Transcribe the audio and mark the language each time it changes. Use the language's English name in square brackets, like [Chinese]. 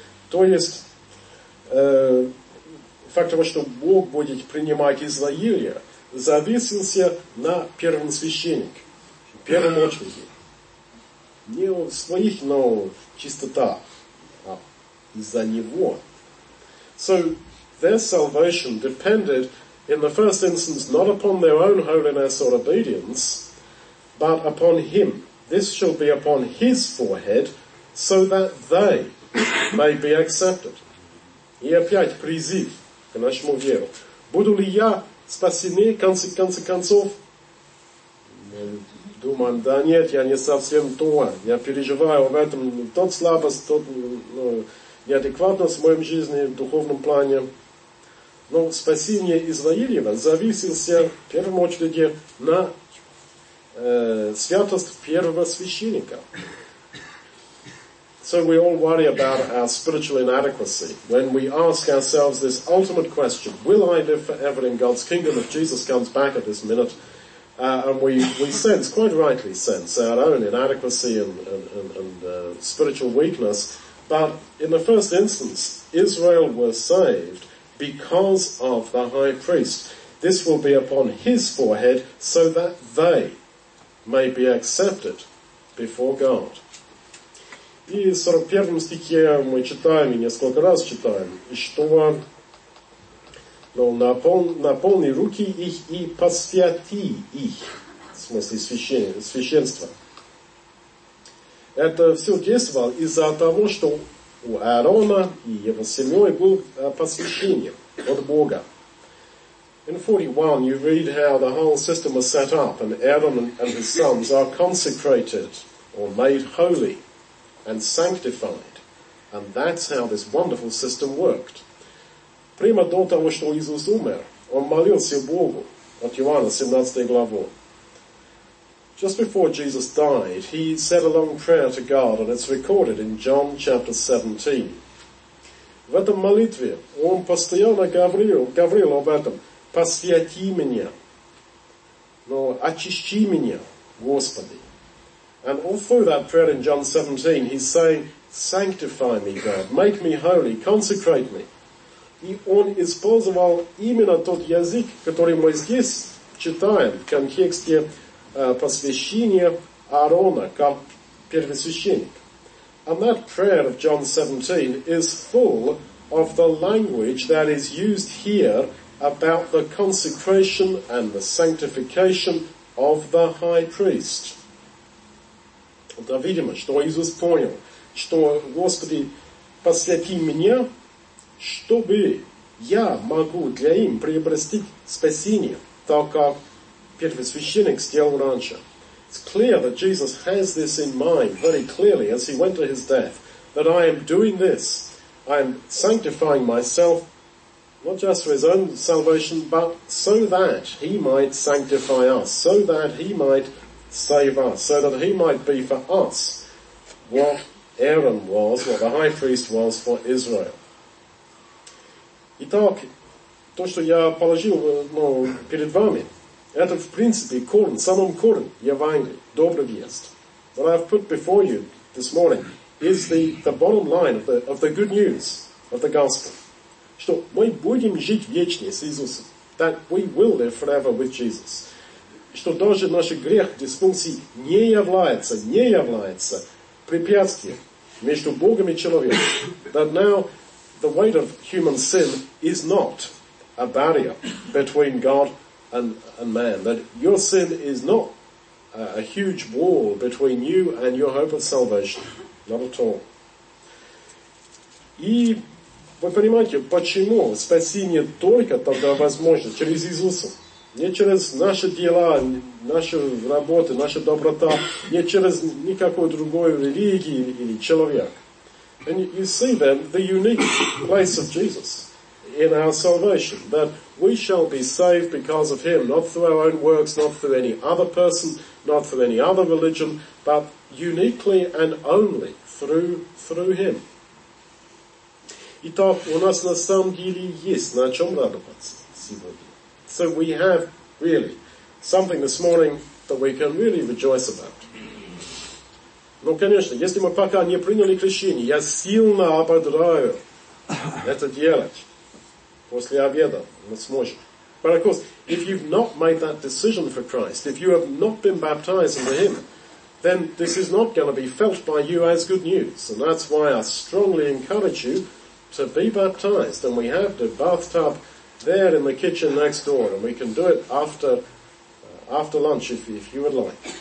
[Russian] То есть, факт того, что Бог будет принимать Израиля, зависелся на первом священнике, первом очереди. Не у своих, но чисто так, а из-за него. [English] So, their salvation depended in the first instance, not upon their own holiness or obedience, but upon him. This shall be upon his forehead, so that they may be accepted. [Russian] И опять призыв к нашему веру. Буду ли я спасены, в конце концов? Думаем, да нет, я не совсем то. Я переживаю об этом, тот слабость, тот неадекватность в моем жизни, в духовном плане. Но спасение Израилева зависело в первую очередь на святость первого священника. [English] So we all worry about our spiritual inadequacy when we ask ourselves this ultimate question, will I live forever in God's kingdom if Jesus comes back at this minute? And we sense, quite rightly sense, our own inadequacy and spiritual weakness. But in the first instance, Israel was saved because of the high priest. This will be upon his forehead so that they may be accepted before God. [Russian] И в 41 стихе мы читаем, и несколько раз читаем, что Но наполни руки их и посвяти их. В смысле священства. Это все действовало из-за того, что у Аарона и его семьей был посвящение от Бога. [English] In 41 you read how the whole system was set up and Aaron and his sons are consecrated or made holy and sanctified. And that's how this wonderful system worked. [Russian] Прямо до того, что Иисус умер, он молился Богу от Иоанна 17 главу. [English] Just before Jesus died, he said a long prayer to God, and it's recorded in John chapter 17. [Russian] В этом молитве он постоянно говорил об этом. Посвяти меня, но очисти меня, Господи. [English] And all through that prayer in John 17, he's saying, sanctify me, God, make me holy, consecrate me. [Russian] И он использовал именно тот язык, который мы здесь читаем, в контексте посвящения Аарона, как первосвященник. [English] And that prayer of John 17 is full of the language that is used here about the consecration and the sanctification of the high priest. [Russian] Да видимо, что Иисус понял, что, Господи, посвяти меня, чтобы я могу для им приобрести спасение, так как первосвященник сделал раньше. [English] It's clear that Jesus has this in mind very clearly as he went to his death, that I am doing this, I am sanctifying myself, not just for his own salvation, but so that he might sanctify us, so that he might save us, so that he might be for us what Aaron was, what the high priest was for Israel. [Russian] Итак, то, что я положил перед вами, это, в принципе, корень, самым корень Евангелия, добрый вест. [English] What I've put before you this morning is the bottom line of the good news of the gospel. [Russian] Что мы будем жить вечно с Иисусом. [English] That we will live forever with Jesus. [Russian] Что даже наш грех, дисфункции не является препятствием между Богом и человеком. [English] That now the weight of human sin is not a barrier between God and man. That your sin is not a huge wall between you and your hope of salvation. Not at all. [Russian] И вы понимаете, почему спасение только тогда возможно через Иисуса? Не через наши дела, наши работы, наша доброта, не через никакой другой религии или человек. [English] And you see then the unique place of Jesus in our salvation, that we shall be saved because of him, not through our own works, not through any other person, not through any other religion, but uniquely and only through him. [Russian] Итак, у нас на самом деле есть на чем радоваться сегодня. [English] So we have, really, something this morning that we can really rejoice about. [Russian] Но, конечно, если мы пока не приняли крещение, я сильно ободраю это делать после обеда. Мы сможем. [English] But of course, if you've not made that decision for Christ, if you have not been baptized into him, then this is not going to be felt by you as good news. And that's why I strongly encourage you to be baptized, and we have the bathtub there in the kitchen next door, and we can do it after lunch if you would like.